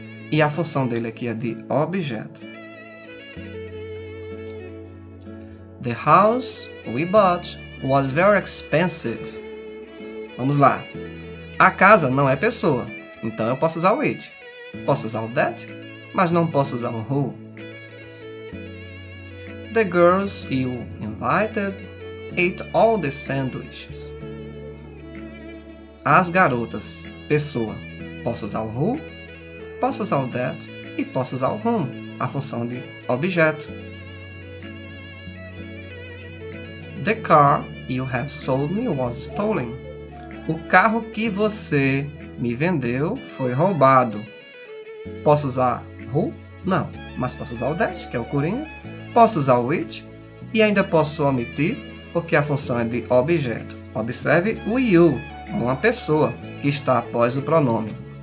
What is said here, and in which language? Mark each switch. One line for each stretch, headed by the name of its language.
Portuguese: E a função dele aqui é de objeto.
English: The house we bought was very expensive.
Portuguese: Vamos lá. A casa não é pessoa, então eu posso usar o it. Posso usar o that, mas não posso usar o who.
English: The girls you invited ate all the sandwiches.
Portuguese: As garotas, pessoa, posso usar o who, posso usar o that e posso usar o whom, a função de objeto.
English: The car you have sold me was stolen.
Portuguese: O carro que você me vendeu foi roubado. Posso usar who? Não, mas posso usar o that, que é o coringa. Posso usar o it e ainda posso omitir, porque a função é de objeto. Observe o you. Uma pessoa que está após o pronome.